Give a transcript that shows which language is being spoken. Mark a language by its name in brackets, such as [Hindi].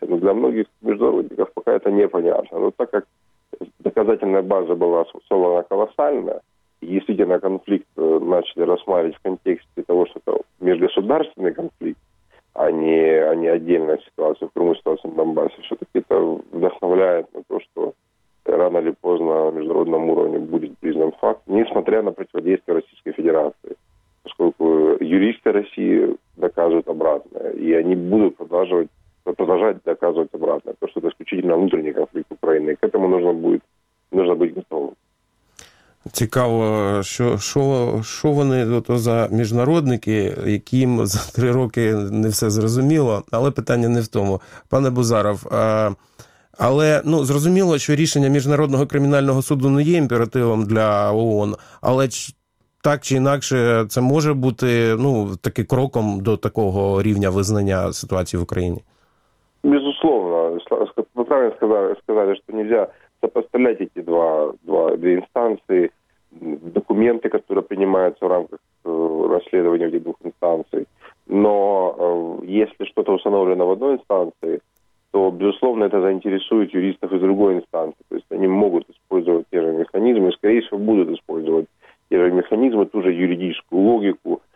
[Russian] Но для многих международников пока это непонятно. Но так как доказательная база была собрана колоссально, действительно, конфликт начали рассматривать в контексте того, что это межгосударственный конфликт, а не отдельная ситуация в Крыму, ситуация в Донбассе, все-таки это вдохновляет на то, что рано или поздно на международном уровне будет признан факт, несмотря на противодействие Российской Федерации. Поскольку юристы России доказывают обратное, и они будут продолжать доказывать обратное, потому что это исключительно внутренний конфликт Украины, и к этому нужно быть готовым. [Ukrainian] Цікаво, що вони от, за міжнародники, яким за 3 роки не все зрозуміло, але питання не в тому. Пане Бузаров, але зрозуміло, що рішення Міжнародного кримінального суду не є імперативом для ООН, але так чи інакше це може бути таки кроком до такого рівня визнання ситуації в Україні? [Russian] Безусловно. [Ukrainian] Ви правильно сказали, що не можна сопоставляти ці дві інстанції. [Russian] Документы, которые принимаются в рамках расследования этих двух инстанций. Но если что-то установлено в одной инстанции, то, безусловно, это заинтересует юристов из другой инстанции. То есть они могут использовать те же механизмы, и, скорее всего, будут использовать те же механизмы, ту же юридическую логику.